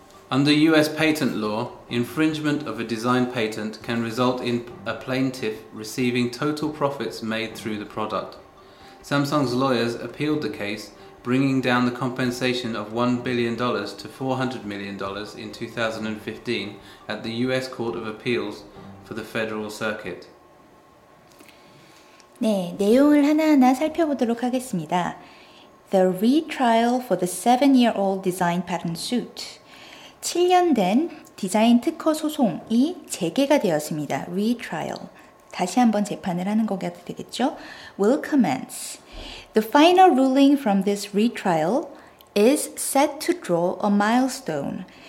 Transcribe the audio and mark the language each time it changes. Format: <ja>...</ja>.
<en>Under US patent law, infringement of a design patent can result in a plaintiff receiving total profits made through the product. Samsung's lawyers appealed the case, bringing down the compensation of $1 billion to $400 million in 2015 at the US Court of Appeals for the Federal Circuit.</en> <ko>네, 내용을 하나하나 살펴보도록 하겠습니다.</ko> <en>The retrial for the 7-year-old design patent suit.</en> <ko>7년 된 디자인 특허 소송이 재개가 되었습니다.</ko> <en>Retrial.</en> <ko>다시 한번 재판을 하는 거가 되겠죠?</ko> <en>Will commence. The final ruling from this retrial is set to draw a milestone.</en>